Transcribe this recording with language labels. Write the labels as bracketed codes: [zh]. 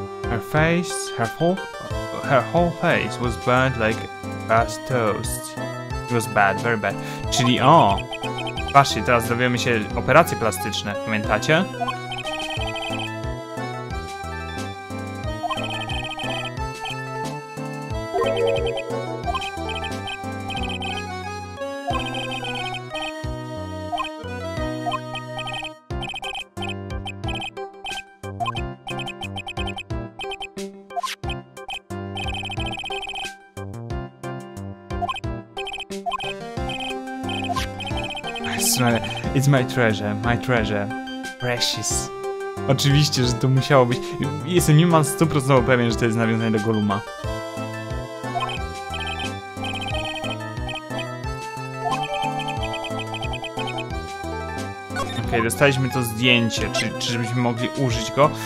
[en] Her face, her whole face was burnt like bad toast. It was bad, very bad. [pl] Czyli o! Właśnie, teraz dowiemy się operacje plastyczne, pamiętacie? [en] It's my treasure, precious. [pl] Oczywiście, że to musiało być. Jestem niemal 100% pewien, że to jest nawiązanie do Golluma. Okej, dostaliśmy to zdjęcie, czy żebyśmy mogli użyć go.